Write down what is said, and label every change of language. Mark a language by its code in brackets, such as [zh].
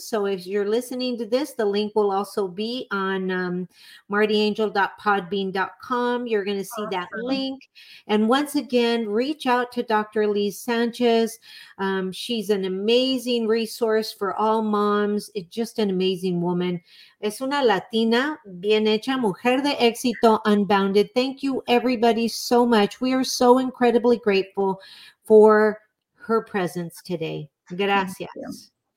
[en] So if you're listening to this, the link will also be on martyangel.podbean.com. You're going to see that link. And once again, reach out to Dr. Elise Sanchez. She's an amazing resource for all moms. It's just an amazing woman. [es] Es una Latina bien hecha, mujer de éxito, unbounded. [en] Thank you, everybody, so much. We are so incredibly grateful for her presence today. [es] Gracias.